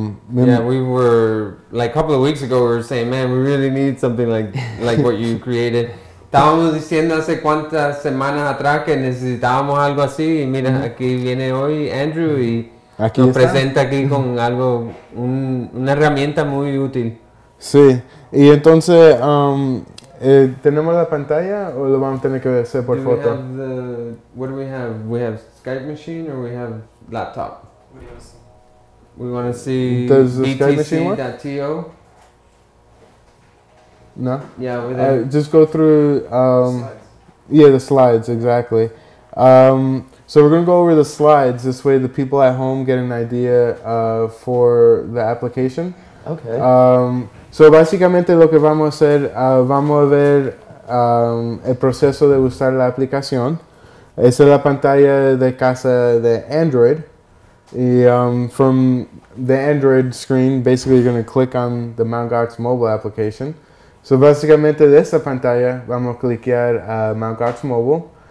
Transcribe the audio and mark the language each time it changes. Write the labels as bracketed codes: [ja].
[en] We were, like a couple of weeks ago, we were saying, man, we really need something like what you created. [es] Estábamos diciendo hace cuántas semanas atrás que necesitábamos algo así y mira, aquí viene hoy Andrew y aquí nos está. Presenta aquí con algo, una herramienta muy útil. Sí, y entonces, ¿tenemos la pantalla o lo vamos a tener que hacer por do foto? [en] We have the, what do we have? We have Skype machine or we have laptop? We want to see btc.to. No? Yeah, with Just go through... slides. Yeah, the slides, exactly. So we're going to go over the slides. This way the people at home get an idea for the application. Okay. [es] So básicamente lo que vamos a hacer, vamos a ver el proceso de usar la aplicación. Esa es la pantalla de casa de Android. [en] Y from the Android screen, basically you're going to click on the Mt. Gox mobile application. So, [es] básicamente de esta pantalla vamos a cliquear a Mt. Gox Mobile.